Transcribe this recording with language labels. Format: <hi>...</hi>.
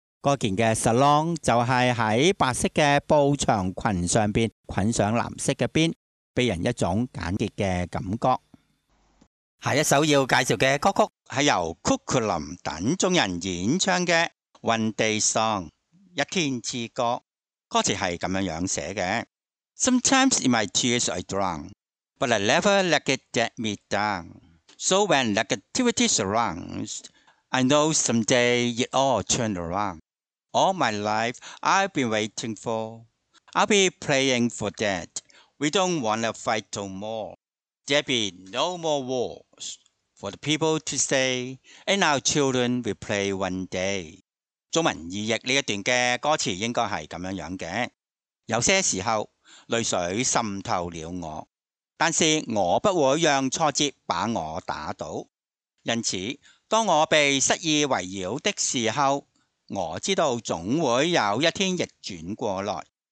<zh>那件的 salon 就是在白色的布长裙上面捆上蓝色的边，给人一种简洁的感觉。下一首要介绍的歌曲是由 Kukulam 等众人演唱的 One Day Song 一天之歌。歌词是这样写的：</zh> <en>Sometimes in my tears I drown, but I never let it get me down. So when negativity surroundsI know someday it all turned around. All my life I've been waiting for. I'll be praying for that. We don't want to fight no more. There'll be no more wars for the people to stay, and our children will play one day.</en> <zh>中文意译这一段的歌词应该是这样的：有些时候泪水渗透了我，但是我不会让挫折把我打倒。因此当我被失意围绕的时候，我知道总会有一天逆转过来。</zh>